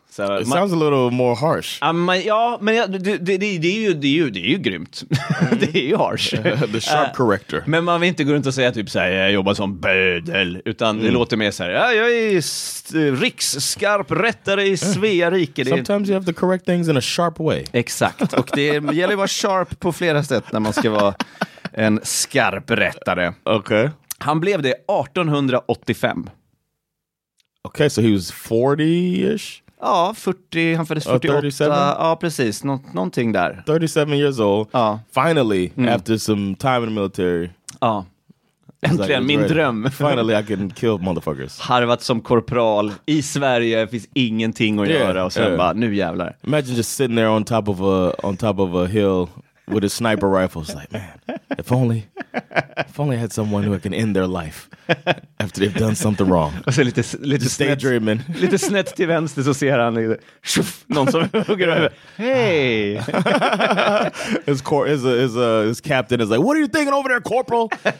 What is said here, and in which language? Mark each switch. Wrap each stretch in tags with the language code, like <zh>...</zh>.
<en>Så it sounds a little more harsh.</en> <sv>Det är ju grymt. Det är ju harsh.</sv> <en>The sharp corrector.</en> <sv>Men man vill inte gå runt och säga typ så här, jag jobbar som bödel, utan det låter mer så här, jag är riksskarp rättare i Svea rike.</sv> <en>Sometimes you have to correct things in a sharp way.</en> <sv>Exakt. Och det gäller att vara sharp på flera sätt när man ska vara en skarp rättare. Okej. Okay. Han blev det 1885.</sv> <en>Okej, okay, so he was 40-ish.</en> <sv>Ja, 40, han föddes 48. Ja, precis, någonting där.</sv> <en>37 years old,</en> <sv>ja.</sv> <en>Finally, after some time in the military.</en> <sv>Ja, äntligen, min dröm.</sv> <en>Finally, I can kill motherfuckers.</en> <sv>Harvat som korporal i Sverige, finns ingenting att göra. Och sen bara, nu jävlar.</sv> <en>Imagine just sitting there on top of a hill with a sniper rifle. It's like, man, if only I had someone who I can end their life after they've done something wrong.</en> <sv>Alltså lite</sv> <en>daydreaming.</en> <sv>Lite snett till vänster så ser han tjuff, någon som hugger över.</sv> <en>Hey. His captain is like, what are you thinking over there, corporal?</en>